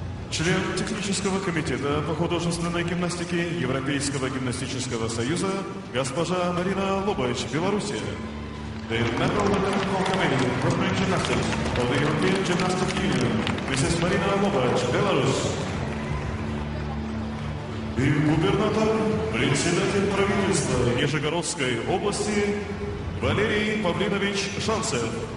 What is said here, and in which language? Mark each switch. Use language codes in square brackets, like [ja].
[ru] Член технического комитета по художественной гимнастике Европейского гимнастического союза госпожа Марина Лобович, Белоруссия. [en] The member of the technical committee of European Gymnastics of the European Gymnastic Union, Mrs. Marina Lobovich, Belarus. [ru] И губернатор, председатель правительства Нижегородской области Валерий Павлинович Шанцев.